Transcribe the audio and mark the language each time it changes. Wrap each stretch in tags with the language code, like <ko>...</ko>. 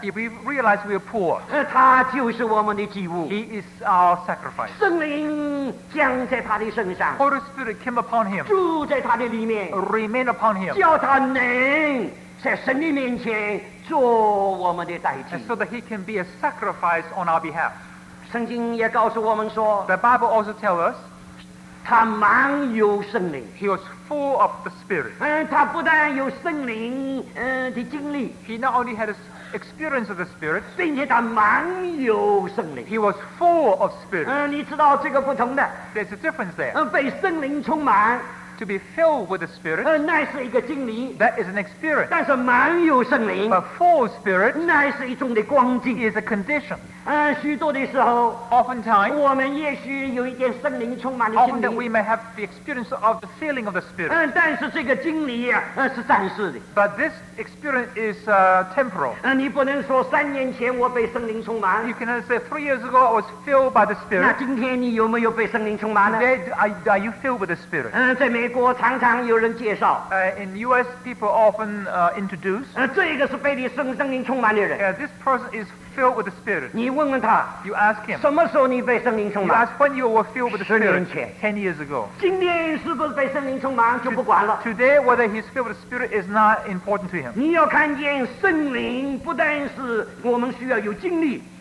<en>if we realize we are poor</en> <zh>他就是我们的祭物</zh> <en>he is our sacrifice</en> <zh>圣灵降在他的身上</zh> <en>Holy Spirit came upon him</en> <zh>住在他的里面</zh> <en>remain upon him</en> <zh>叫他能在神的面前做我们的代替</zh> <en>and so that he can be a sacrifice on our behalf</en> <zh>圣经也告诉我们说</zh> <en>the Bible also tells us</en> <zh>他满有圣灵</zh> <en>he was full of the spirit</en> <zh>他不但有圣灵的经历</zh> <en>he not only had a experience of the spirit</en> <zh>并且他满有圣灵</zh> <en>he was full of spirit</en> <zh>你知道这个不同的</zh> <en>there's a difference there</en> <zh>被圣灵充满</zh> <en>To be filled with the Spirit,</en> <zh>那是一个经历,</zh> <en>that is an experience.</en> <zh>但是满有圣灵,</zh> <en>but full Spirit,</en> <zh>那是一种的光景,</zh> <en>is a condition.</en> <zh>许多的时候,</zh> <en>oftentimes,</en> <zh>我们也许有一点圣灵充满的心灵,</zh> <en>often we may have the experience of the feeling of the Spirit.</en> <zh>但是这个经历, 是暂时的。</zh> <en>But this experience is temporal.</en> <zh>你不能说三年前我被圣灵充满,</zh> <en>you cannot say 3 years ago I was filled by the Spirit.</en> <zh>那今天你有没有被圣灵充满呢?</zh> <en>Today, are you filled with the Spirit?</en> <zh>在美国常常有人介绍</zh> <en>in US people often introduce</en> <zh>这个是被你圣灵充满的人</zh> <en>this person is filled with the spirit</en> <zh>你问问他</zh> <en>you ask him</en> <zh>什么时候你被圣灵充满</zh> <en>you ask when you were filled with the spirit</en> <zh>十年前</zh> <en>10 years ago</en> <zh>今天是不是被圣灵充满就不管了</zh> <en>today whether he's filled with the spirit is not important to him</en> <zh>你要看见圣灵不但是我们需要有经历</zh>